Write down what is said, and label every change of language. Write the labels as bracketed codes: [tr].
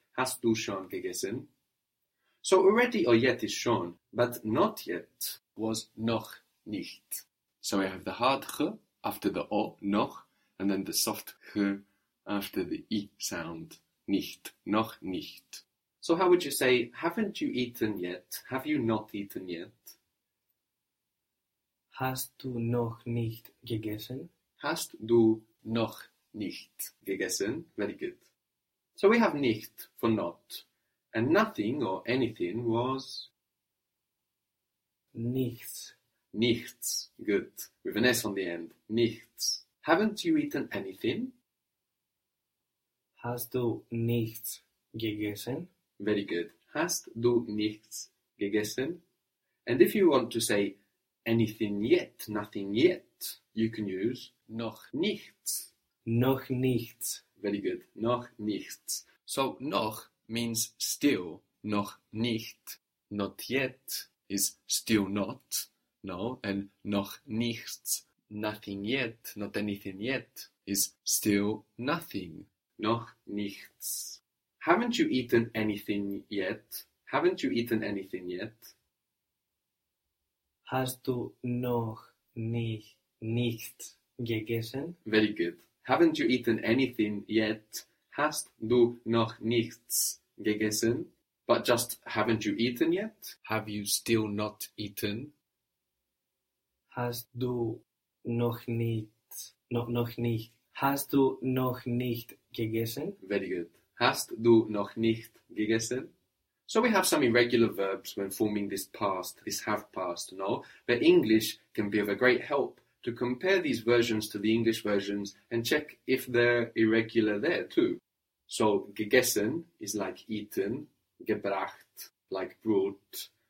[de] Hast du schon gegessen? [en] So, already or yet is schon, but not yet was noch nicht. So, we have the hard ch after the o, noch, and then the soft ch after the I sound, nicht, noch nicht. So how would you say, haven't you eaten yet? Have you not eaten yet? [de] Hast du noch nicht gegessen? Hast du noch nicht gegessen? [en] Very good. So we have nicht for not, and nothing or anything was [de] Nichts. [en] nichts. Good. With an S on the end, nichts. Haven't you eaten anything? [de] Hast du nichts gegessen? [en] Very good. [de] Hast du nichts gegessen? [en] And if you want to say anything yet, nothing yet, you can use noch nichts. [de] Noch nichts. [en] Very good. Noch nichts. So noch means still, noch nicht. Not yet is still not, no? And noch nichts, nothing yet, not anything yet, is still nothing. Noch nichts. Haven't you eaten anything yet? Haven't you eaten anything yet? [de] Hast du noch nicht gegessen? [en] Very good. Haven't you eaten anything yet? [de] Hast du noch nichts gegessen? [en] But just, haven't you eaten yet? Have you still not eaten? [de] Hast du noch nicht, noch nicht, hast du noch nicht gegessen? [en] Very good. [de] Hast du noch nicht gegessen? [en] So we have some irregular verbs when forming this past, this have passed, no? But English can be of a great help to compare these versions to the English versions and check if they're irregular there too. So gegessen is like eaten, gebracht, like brought.